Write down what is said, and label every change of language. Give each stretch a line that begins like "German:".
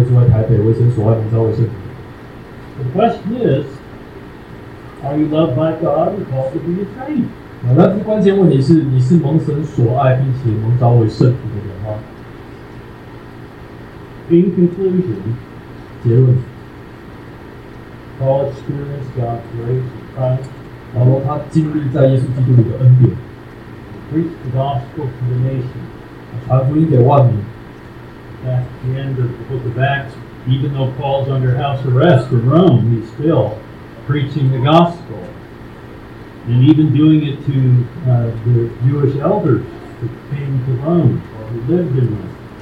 Chinese: 那保罗第七节那里说，我写信给各位住在罗马为神所爱蒙召的圣徒，我们可以把它稍微改一下吧。罗马变成台北，我写信给各位住在台北为神所爱蒙召的圣徒。
English: The question is, are you loved by God and called to be a saint?
Chinese: 那关键问题是，你是蒙神所爱并且蒙召为圣徒的人吗？
English: In conclusion,
Chinese: 结论，
English: Paul experienced God's grace in Christ.
Chinese: 保罗他经历在耶稣基督里的恩典。
English: Preach the gospel to the nation.
Chinese: 传福音给万民。
English: At the end of the book of Acts, even though Paul's under house arrest in Rome, he's still preaching the gospel. And even doing it to the Jewish elders that came to Rome or who lived in Rome.